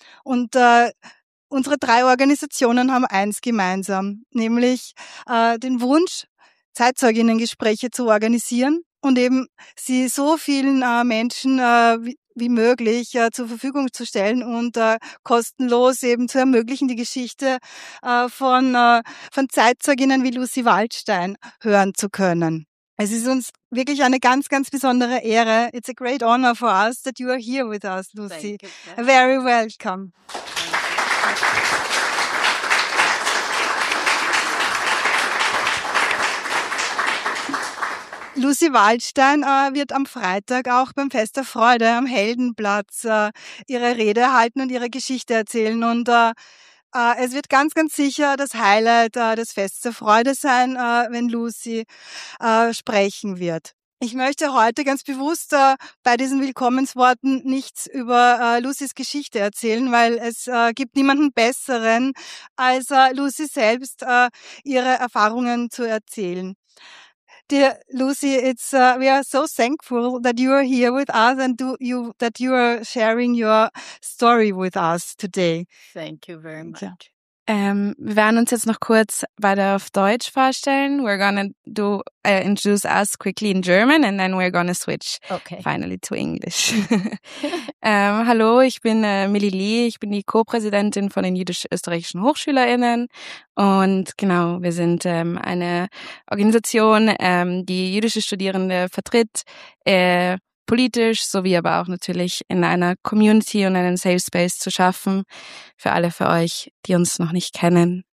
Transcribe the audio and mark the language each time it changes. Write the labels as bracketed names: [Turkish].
[German] Und unsere drei Organisationen haben eins gemeinsam, nämlich den Wunsch, Zeitzeuginnengespräche zu organisieren und eben sie so vielen Menschen wie möglich zur Verfügung zu stellen und kostenlos eben zu ermöglichen, die Geschichte von Zeitzeuginnen wie Lucy Waldstein hören zu können. Es ist uns wirklich eine ganz, ganz besondere Ehre. [English] It's a great honor for us that you are here with us, Lucy. Very welcome. [German] Lucy Waldstein wird am Freitag auch beim Fest der Freude am Heldenplatz ihre Rede halten und ihre Geschichte erzählen. Und es wird ganz, ganz sicher das Highlight des Fests der Freude sein, wenn Lucy sprechen wird. Ich möchte heute ganz bewusst bei diesen Willkommensworten nichts über Lucys Geschichte erzählen, weil es gibt niemanden Besseren, als Lucy selbst ihre Erfahrungen zu erzählen. [English] Dear Lucy, it's we are so thankful that you are here with us and that you are sharing your story with us today. Thank you very much. [German] Wir werden uns jetzt noch kurz weiter auf Deutsch vorstellen. [English] We're gonna do introduce us quickly in German and then we're gonna switch finally to English. [German] hallo, ich bin Milli Lee. Ich bin die Co-Präsidentin von den jüdisch-österreichischen HochschülerInnen. Und genau, wir sind eine Organisation, die jüdische Studierende vertritt, politisch sowie aber auch natürlich in einer Community und einen Safe Space zu schaffen für alle für euch, die uns noch nicht kennen.